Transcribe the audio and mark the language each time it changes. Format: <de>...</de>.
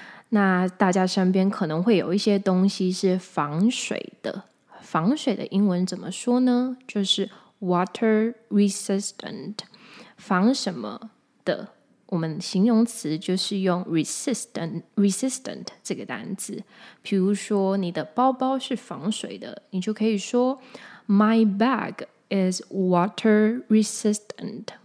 <zh>那大家身边可能会有一些东西是防水的，防水的英文怎么说呢？就是</zh> <en>water resistant。</en> <zh>防什么的，我们形容词就是用 resistant 这个单字。比如说你的包包是防水的，你就可以说</zh> <en>my bag is water resistant。</en>